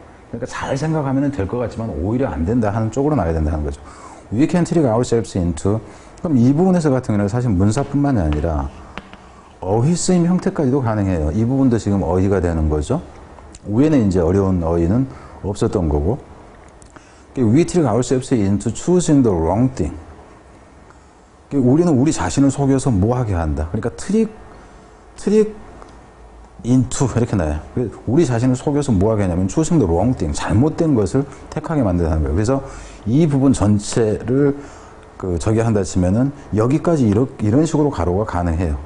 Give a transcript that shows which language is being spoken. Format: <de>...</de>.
<ko>그러니까 잘 생각하면은 될 것 같지만 오히려 안 된다 하는 쪽으로 나가야 된다 하는 거죠.</ko> <en>We can trick ourselves into</en> <ko>그럼 이 부분에서 같은 경우는 사실 문사뿐만이 아니라 어휘 쓰임 형태까지도 가능해요. 이 부분도 지금 어휘가 되는 거죠. 위에는 이제 어려운 어휘는 없었던 거고.</ko> <en>We trick ourselves into choosing the wrong thing.</en> <ko>우리는 우리 자신을 속여서 뭐 하게 한다. 그러니까 trick into 이렇게 나요. 우리 자신을 속여서 뭐 하게 하냐면</ko> <en>choosing the wrong thing.</en> <ko>잘못된 것을 택하게 만든다는 거예요. 그래서 이 부분 전체를 저기 한다 치면은 여기까지 이런 식으로 가로가 가능해요.</ko>